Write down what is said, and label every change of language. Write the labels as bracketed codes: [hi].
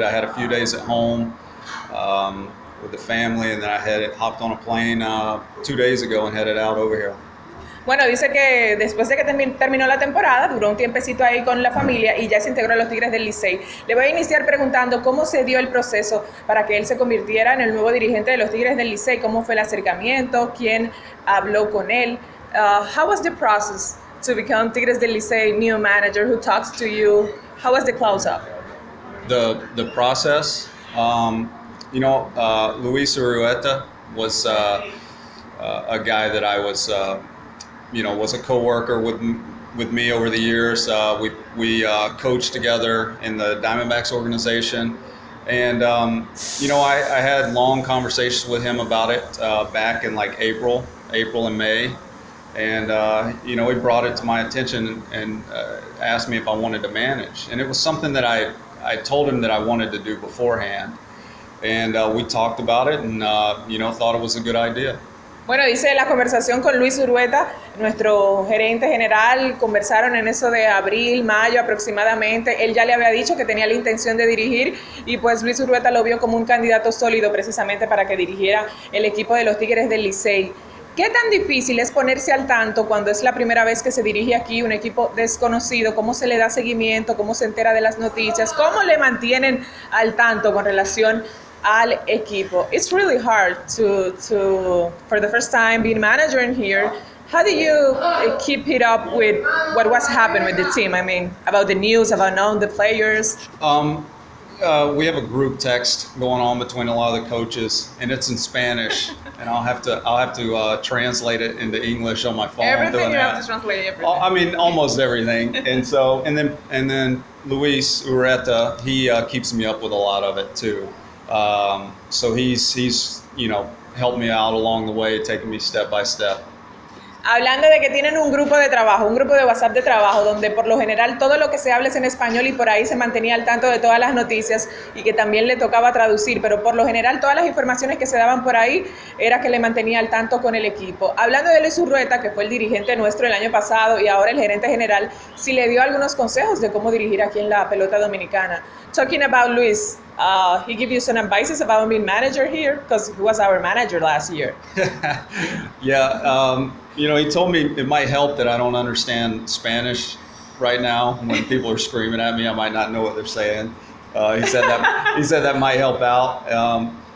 [en] I had a few days at home with the family, and then I had hopped on a plane 2 days ago and headed out over here. [es] Bueno, dice que después de que terminó la temporada, duró un tiempecito ahí con la familia y ya se integró a los Tigres del Licey. Le voy a iniciar preguntando cómo se dio el proceso para que él se convirtiera en el nuevo dirigente de los Tigres del Licey. ¿Cómo fue el acercamiento? ¿Quién habló con él? [en] How was the process to become Tigres del Licey new manager? Who talks to you? How was the close up? The process, you know, Luis Urueta was a guy that I was you know, was a co-worker with me over the years. We coached together in the Diamondbacks organization. And, you know, I had long conversations with him about it back in like April and May. And, you know, he brought it to my attention and asked me if I wanted to manage. And it was something that I told him that I wanted to do beforehand. And we talked about it and, you know, thought it was a good idea. [es] Bueno, dice la conversación con Luis Urueta, nuestro gerente general, conversaron en eso de abril, mayo aproximadamente. Él ya le había dicho que tenía la intención de dirigir y pues Luis Urueta lo vio como un candidato sólido precisamente para que dirigiera el equipo de los Tigres del Licey. ¿Qué tan difícil es ponerse al tanto cuando es la primera vez que se dirige aquí un equipo desconocido? ¿Cómo se le da seguimiento? ¿Cómo se entera de las noticias? ¿Cómo le mantienen al tanto con relación al equipo? [en] It's really hard to for the first time being manager in here. How do you keep it up with what was happening with the team? I mean, about the news, about knowing the players. We have a group text going on between a lot of the coaches, and it's in Spanish, and I'll have to translate it into English on my phone. Everything doing you that. Have to translate. Everything. I mean, almost everything, and then Luis Urueta, he keeps me up with a lot of it too. So he's you know, helped me out along the way, taking me step by step. [es] Hablando de que tienen un grupo de trabajo, un grupo de WhatsApp de trabajo, donde por lo general todo lo que se habla es en español y por ahí se mantenía al tanto de todas las noticias y que también le tocaba traducir, pero por lo general todas las informaciones que se daban por ahí era que le mantenía al tanto con el equipo. Hablando de Luis Urueta, que fue el dirigente nuestro el año pasado y ahora el gerente general, si le dio algunos consejos de cómo dirigir aquí en la pelota dominicana. [en] Talking about Luis, he gave you some advices about being manager here because he was our manager last year. Yeah, you know, he told me it might help that I don't understand Spanish right now. When people are screaming at me, I might not know what they're saying. He said that might help out.